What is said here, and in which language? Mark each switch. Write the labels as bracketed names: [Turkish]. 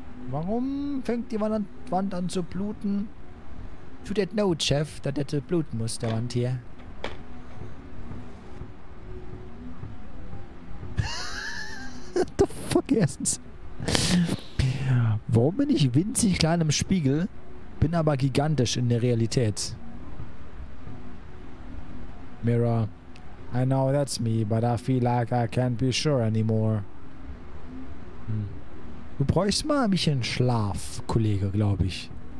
[German] Warum fängt die Wand an zu bluten? [English] You didn't know, [German] Chef, dass das bluten muss, der Wand hier. [English] The fuck, [German] erstens. Warum bin ich winzig klein im Spiegel, bin aber gigantisch in der Realität? [English] Mirror. I know that's me, but I feel like I can't be sure anymore. [German] Du bräuchst mal ein bisschen Schlaf, Kollege, glaube ich.